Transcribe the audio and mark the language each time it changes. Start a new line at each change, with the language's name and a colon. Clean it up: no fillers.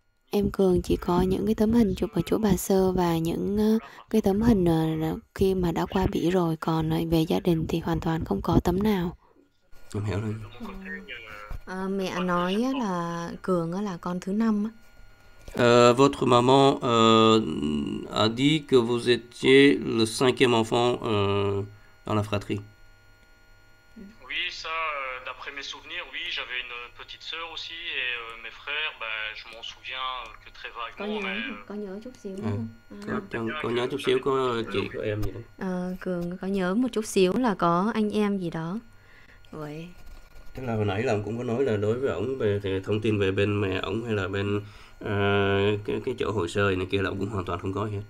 Vietnamese: Em Cường chỉ có những cái tấm hình chụp ở chỗ bà sơ và những cái tấm hình khi mà đã qua Bỉ rồi, còn về gia đình thì hoàn toàn không có tấm nào. Em hiểu rồi. Mẹ nói là Cường là con thứ năm.
French: Votre maman a dit que vous étiez le cinquième enfant dans la fratrie. Oui, ça. D'après mes souvenirs, oui, j'avais une petite sœur aussi et mes frères, ben, je m'en souviens que très vaguement.
Vietnamese: Có nhớ,
French: mais,
Vietnamese: có nhớ chút xíu nữa. Có nhớ chút xíu có chị, có em gì đó. Cường có nhớ một chút xíu là có anh em gì đó. Vậy. Tức là hồi nãy là ông cũng có nói là đối với ông về thì thông tin về bên mẹ ông hay là bên cái chỗ hồ sơ này kia là ông cũng hoàn toàn không có hết.